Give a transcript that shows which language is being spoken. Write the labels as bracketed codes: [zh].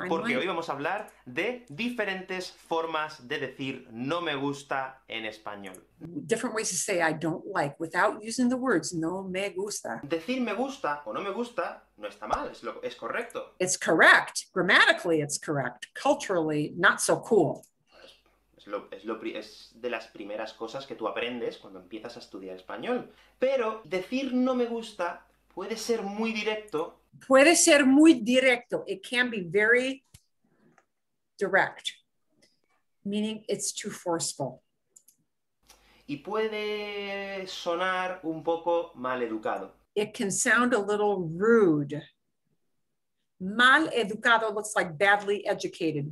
[es] Porque hoy vamos a hablar de diferentes formas de decir no me gusta en español. [en] Different ways to say I don't like without using the words [es] no me gusta. Decir me gusta o no me gusta no está mal, es correcto. [en] It's correct. Grammatically, it's correct. Culturally, not so cool. [es] Es de las primeras cosas que tú aprendes cuando empiezas a estudiar español. Pero decir no me gusta puede ser muy directo. Puede ser muy directo. [en] It can be very direct, meaning it's too forceful. [es] Y puede sonar un poco mal educado. [en] It can sound a little rude. [es] Mal educado [en] looks like badly educated.